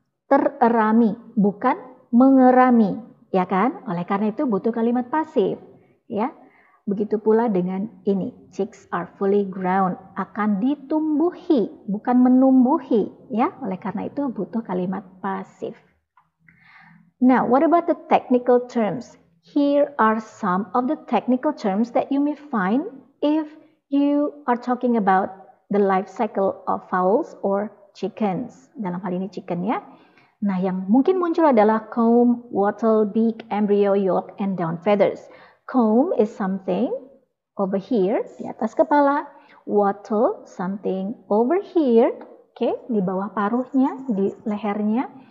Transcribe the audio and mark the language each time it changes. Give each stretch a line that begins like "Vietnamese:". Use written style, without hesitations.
Indonesian: Tererami, bukan mengerami, ya kan? Oleh karena itu butuh kalimat pasif, ya. Begitu pula dengan ini,
English: chicks are fully grown,
Indonesian: akan ditumbuhi, bukan menumbuhi, ya. Oleh karena itu butuh kalimat pasif.
English: Now, what about the technical terms? Here are some of the technical terms that you may find if you are talking about the life cycle of fowls or chickens.
Indonesian: Dalam hal ini chicken, ya. Nah, yang mungkin muncul adalah
English: comb, wattle, beak, embryo, yolk, and down feathers. Comb is something over here,
Indonesian: di atas kepala.
English: Wattle, something over here, okay,
Indonesian: di bawah paruhnya, di lehernya.